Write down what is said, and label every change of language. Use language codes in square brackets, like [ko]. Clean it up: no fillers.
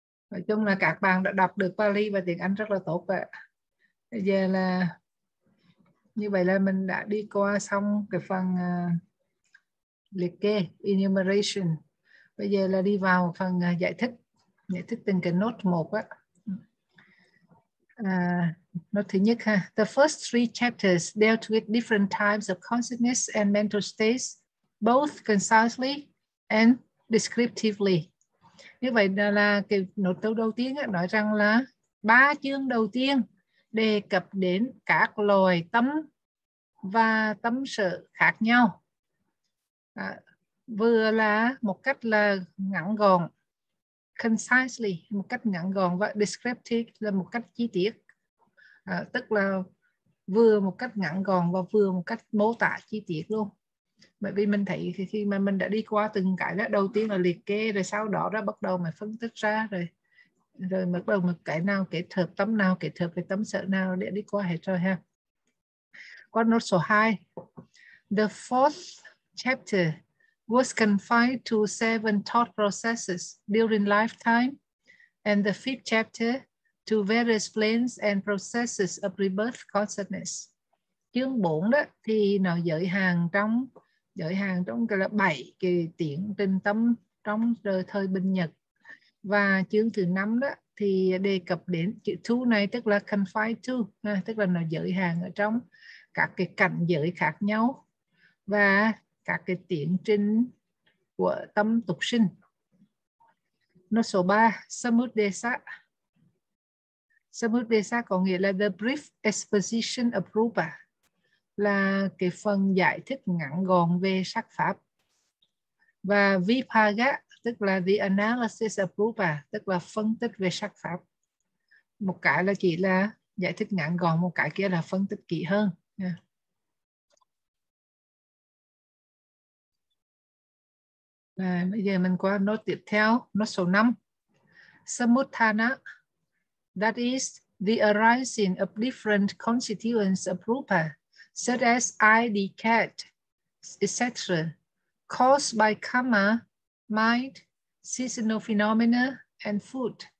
[vi] Nói chung là các bạn đã đọc được Pali và tiếng Anh rất là tốt ạ. Bây giờ là như vậy là mình đã đi qua xong cái phần liệt kê enumeration, bây giờ là đi vào phần giải thích từng cái nốt một á. Nó thứ nhất ha. [en] The first three chapters dealt with different types of consciousness and mental states, both concisely and descriptively. [vi] Như vậy là cái nội dung đầu tiên á, nói rằng là ba chương đầu tiên đề cập đến các loài tâm và tâm sở khác nhau. Vừa là một cách là ngắn gọn, concisely một cách ngắn gọn, và descriptive là một cách chi tiết. Tức là vừa một cách ngắn gọn và vừa một cách mô tả chi tiết luôn. Bởi vì mình thấy khi mà mình đã đi qua từng cái đó, đầu tiên là liệt kê, rồi sau đó đó bắt đầu mình phân tích ra, rồi bắt đầu mình kể nào kể thợp tâm nào, kể thợp cái tâm sở nào, để đi qua hết rồi ha. con nốt số 2. [en] The fourth chapter was confined to seven thought processes during lifetime, and the fifth chapter to various planes and processes of rebirth consciousness. [vi] Chương 4 đó thì nó giới hạn trong gọi là 7 cái tiến trình tâm trong thời Bình Nhật. Và chương thứ 5 đó thì đề cập đến chữ thu này, tức là confined to, tức là nó giới hạn ở trong các cái cảnh giới khác nhau và các cái tiến trình của tâm tục sinh. Nó số 3, Samudesa. Samudesa có nghĩa là [en] the brief exposition of Rupa, [vi] là cái phần giải thích ngắn gọn về sắc pháp. Và Vipaga tức là [en] the analysis of Rupa, [vi] tức là phân tích về sắc pháp. Một cái là chỉ là giải thích ngắn gọn, một cái kia là phân tích kỹ hơn. Bây giờ mình qua nốt tiếp theo, nốt số 5. [en] Samuthana, that is the arising of different constituents of Rupa, such as eye, the cat, etc., caused by karma, mind, seasonal phenomena, and food.